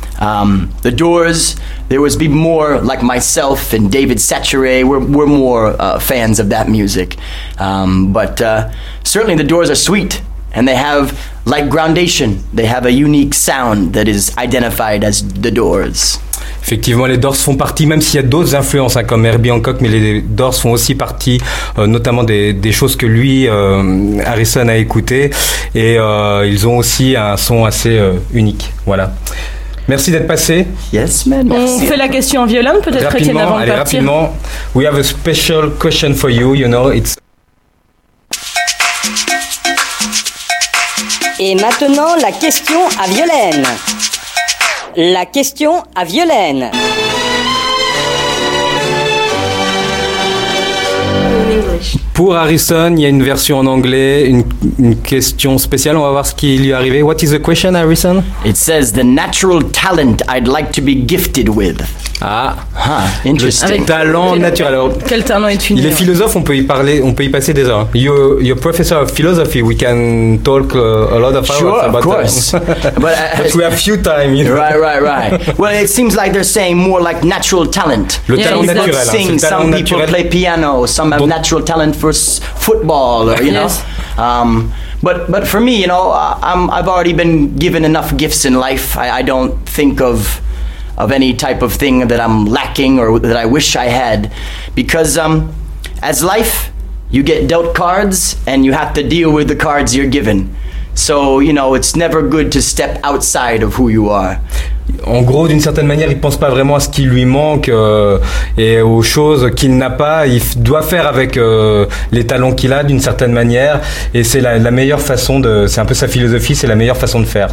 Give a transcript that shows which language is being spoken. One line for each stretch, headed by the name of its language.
English: The Doors, there was be more like myself and David Satchere, we're more fans of that music. But certainly The Doors are sweet, and they have, like Groundation, they have a unique sound that is identified as The Doors.
French: Effectivement, les Doors font partie, même s'il y a d'autres influences hein, comme Herbie Hancock, mais les Doors font aussi partie notamment des choses que lui, Harrison, a écoutées. Et ils ont aussi un son assez unique. Voilà. Merci d'être passé.
English: Yes, man.
French: On fait la question en violon, peut-être, Étienne, avant de partir. Allez, rapidement.
English: We have a special question for you, you know. It's...
French: Et maintenant, la question à Violaine. La question à Violaine. Pour Harrison, il y a une version en anglais, une question spéciale. On va voir ce qui lui est arrivé.
English: What is the question, Harrison? It says, the natural talent I'd like to be gifted with. Ah, interesting.
French: Le talent naturel. Alors, quel talent est-il? Il est philosophe, on peut y parler, on peut y passer des heures.
English: You're professor of philosophy, we can talk a lot of hours sure, about that. Sure, of course. But we have few time. You know? Right. Well, it seems like they're saying more like natural talent.
French: Le talent naturel.
English: People sing, some people play piano, some have natural talent for football, or, you know. But for me, you know, I've already been given enough gifts in life. I don't think of any type of thing that I'm lacking or that I wish I had. Because as life, you get dealt cards and you have to deal with the cards you're given. So, you know, it's never good to step outside of who you are.
French: En gros, d'une certaine manière, il pense pas vraiment à ce qui lui manque et aux choses qu'il n'a pas. Il doit faire avec les talents qu'il a, d'une certaine manière. Et c'est la meilleure façon de... C'est un peu sa philosophie, c'est la meilleure façon de faire.